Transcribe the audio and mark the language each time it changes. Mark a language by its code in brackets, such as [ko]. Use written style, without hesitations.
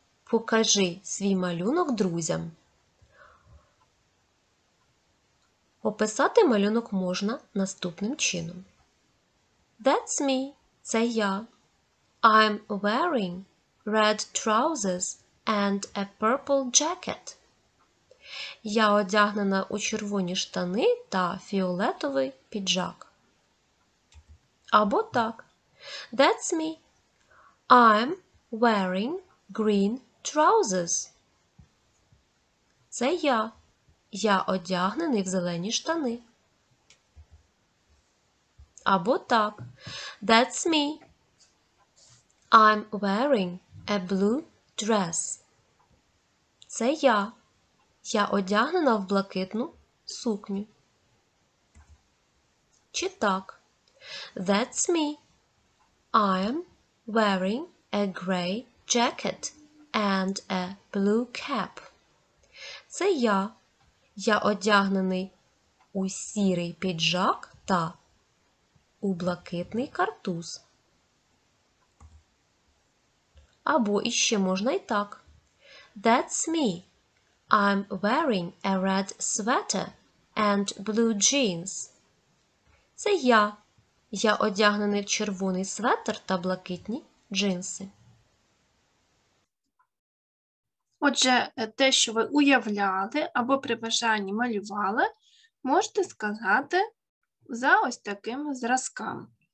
[uk] Покажи свій малюнок друзям. Описати малюнок можна наступним чином. [en] That's me. [uk] Це я. [en] I'm wearing red trousers and a purple jacket. [uk] Я одягнена у червоні штани та фіолетовий піджак. Або так. [en] That's me. I'm wearing green trousers. [uk] Це я. Я одягнений в зелені штани. або так. [en] That's me. I'm wearing a blue dress. [uk] Це я. Я одягнена в блакитну сукню. Чи так? [en] That's me. I'm wearing a gray jacket and a blue cap. [uk] Це я. Я одягнений у сірий піджак та у блакитний картуз. Або іще можна і так. [en] That's me. I'm wearing a red sweater and blue jeans. [uk] Це я. Я одягнений в червоний светр та блакитні джинси. Отже, те, що ви уявляли або при бажанні малювали, можете сказати за ось таким зразком.